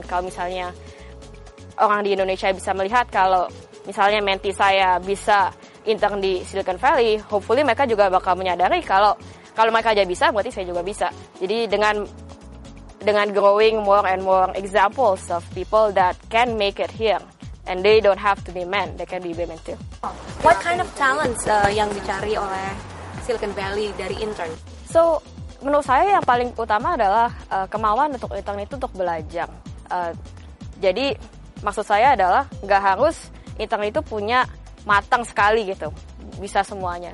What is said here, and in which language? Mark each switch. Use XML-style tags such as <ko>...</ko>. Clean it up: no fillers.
<id>Kalau misalnya orang di Indonesia bisa melihat kalau misalnya mentee saya bisa intern di Silicon Valley, hopefully mereka juga bakal menyadari kalau mereka aja bisa, berarti saya juga bisa. Jadi dengan</id> <en>growing more and more examples of people that can make it here, and they don't have to be men, they can be women too. What kind of talents</en> <id>yang dicari oleh Silicon Valley dari intern? So, menurut saya yang paling utama adalah kemauan untuk intern itu untuk belajar. Jadi, maksud saya adalah nggak harus intern itu punya matang sekali gitu, bisa semuanya.</id>